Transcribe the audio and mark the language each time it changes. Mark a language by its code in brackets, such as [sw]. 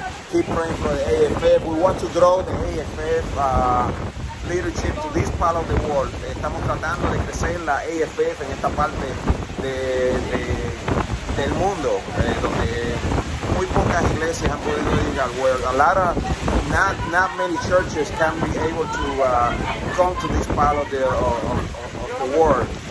[en] Keep praying for the AFF. We want to grow the AFF leadership to this part of the world. [es] Estamos tratando de crecer la AFF en esta parte del mundo, donde muy pocas iglesias han podido llegar. [en] Well, a lot of not many churches can be able to come to this part of the world.